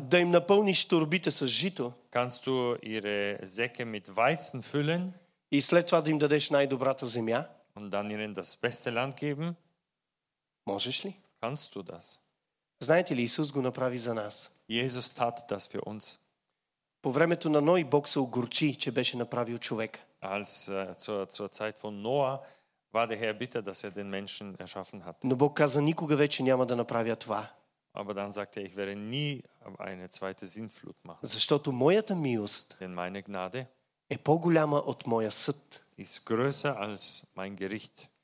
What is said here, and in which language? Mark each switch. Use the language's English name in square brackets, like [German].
[Bulgarian] Да им напълниш турбите с жито. [German] Kannst du ihre Säcke mit Weizen füllen? [Bulgarian] И след това да им дадеш най-добрата земя? [German] Und dann ihnen das beste Land geben? [Bulgarian] Можеш ли? [German] Kannst du das? [Bulgarian] Знаете ли, Исус го направи за нас. [German] Jesus tat das für uns. [Bulgarian] По времето на Ной Бог се огорчи, че беше направил човек. [German] Als zur Zeit von Noah war der Herr bitter, dass er den Menschen erschaffen hat. [Bulgarian] Но Бог каза, никога вече няма да направя това. [German] Aber dann sagte er, ich werde nie eine zweite Sintflut machen. [Bulgarian] Защото моята милост, [German] denn meine Gnade, [Bulgarian] е по-голяма от моя съд. [German] Ist größer als mein Gericht.